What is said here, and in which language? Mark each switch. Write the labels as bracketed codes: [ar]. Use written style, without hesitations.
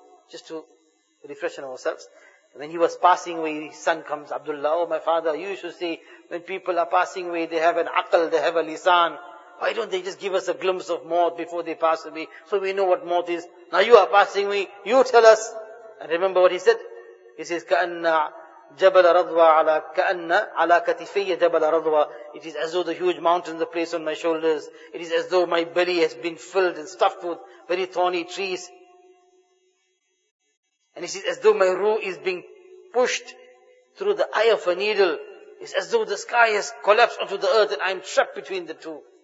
[en] Just to refresh ourselves. When he was passing away, his son comes, Abdullah, oh my father, you should see, when people are passing away, they have an aql, they have a lisan. Why don't they just give us a glimpse of maut before they pass away, so we know what maut is? Now you are passing me, you tell us. And remember what he said? He says, [ar] كَأَنَّ عَلَىٰ كَتِفَيَّ جَبَلَ رَضْوَىٰ. [en] It is as though the huge mountains are placed on my shoulders. It is as though my belly has been filled and stuffed with very thorny trees. And it is as though my ruh is being pushed through the eye of a needle. It's as though the sky has collapsed onto the earth and I am trapped between the two.